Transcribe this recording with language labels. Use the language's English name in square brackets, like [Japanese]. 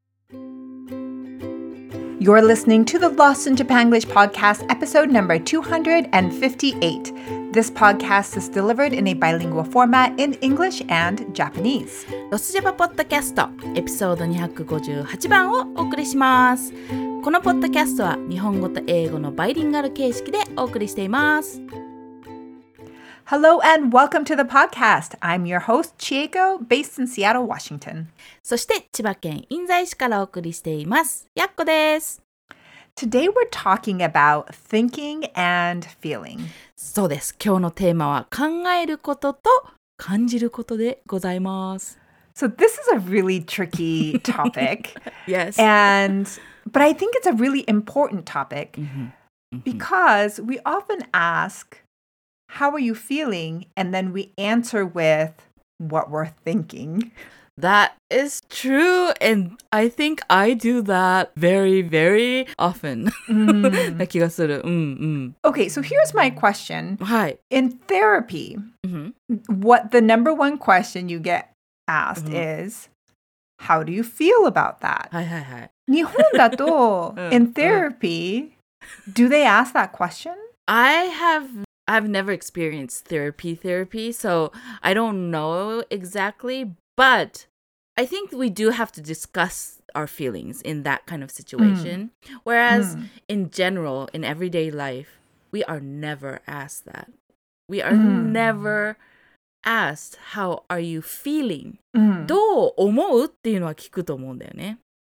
[English] You're listening to the Lost in Japanglish podcast, episode number 258. This podcast is delivered in a bilingual format in English and Japanese. [Japanese] ロスジャパポッドキャストエピソード258番をお送りします。このポッドキャストは日本語と英語のバイリンガル形式でお送りしています。 [English] Hello and welcome to the podcast. I'm your host, Chieko, based in Seattle, Washington. [Japanese] そして千葉県印西市からお送りしています。やっこです。 [English] Today we're talking about thinking and feeling. [Japanese] そうです。今日のテーマは考えることと感じることでございます。 [English] So this is a really tricky topic. Yes. But I think it's a really important topic because we often ask, how are you feeling? And then we answer with what we're thinking. That is true, and I think I do that very, very often. [Japanese] な気がする。 [English] Okay, so here's my question. Hi. In therapy, what the number one question you get asked is, how do you feel about that? [Japanese] はいはいはい。日本だと、 [English] in therapy, do they ask that question? I've never experienced therapy, so I don't know exactly, but I think we do have to discuss our feelings in that kind of situation. Whereas in general, in everyday life, we are never asked that. We are never asked, how are you feeling? [Japanese] どう思うっていうのは聞くと思うんだよね。